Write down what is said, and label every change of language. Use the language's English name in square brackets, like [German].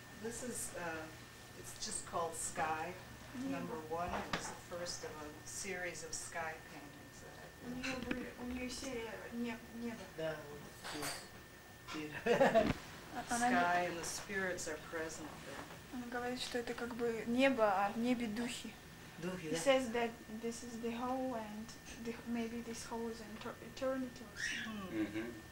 [English] This is, it's just called Sky, number one. It was the first of a series of sky paintings that I did. Sky and the spirits are present there. [Russian] Она говорит, что это как бы небо, а в небе духи. Духи, [English] да? He says that this is the whole and the, maybe this whole is eternity or something.